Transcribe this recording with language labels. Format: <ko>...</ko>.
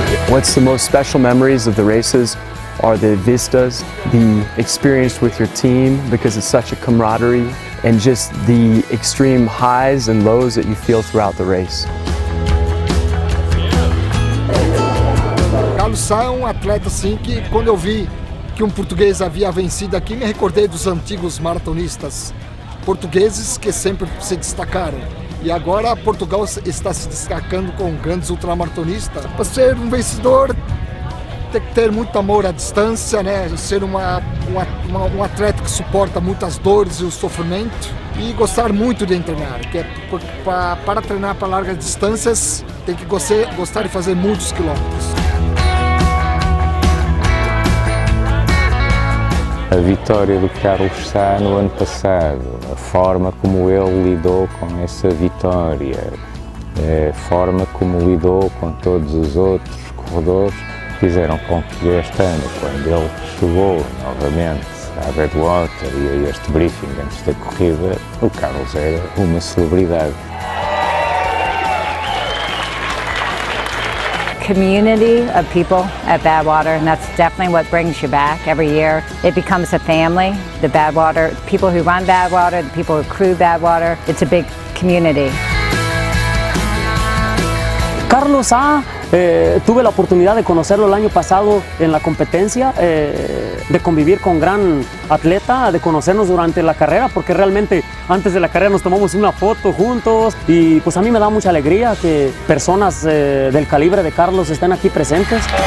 <en>What's the most special memories of the races are the vistas, the experience with your team, because it's such a camaraderie, and just the extreme highs and lows that you feel throughout the race.</en> <pt>Carlos Sá é um atleta assim que, quando eu vi que um português havia vencido aqui, me recordei dos antigos maratonistas portugueses que sempre se destacaram. E agora Portugal está se destacando com grandes ultramaratonistas. Para ser um vencedor, tem que ter muito amor à distância, né? Ser um atleta que suporta muitas dores e o sofrimento e gostar muito de treinar, que é para treinar para largas distâncias, tem que gostar de fazer muitos quilômetros. A vitória do Carlos Sá no ano passado, a forma como ele lidou com essa vitória, a forma como lidou com todos os outros corredores, fizeram com que este ano, quando ele chegou novamente à Badwater e a este briefing antes da corrida, o Carlos era uma celebridade.</pt> <en>Community of people at Badwater, and that's definitely what brings you back every year. It becomes a family, the Badwater, people who run Badwater, the people who crew Badwater, it's a big community.</en> <es>Carlos Sá, tuve la oportunidad de conocerlo el año pasado en la competencia, de convivir con gran atleta, de conocernos durante la carrera, porque realmente antes de la carrera nos tomamos una foto juntos y pues a mí me da mucha alegría que personas del calibre de Carlos estén aquí presentes.</es>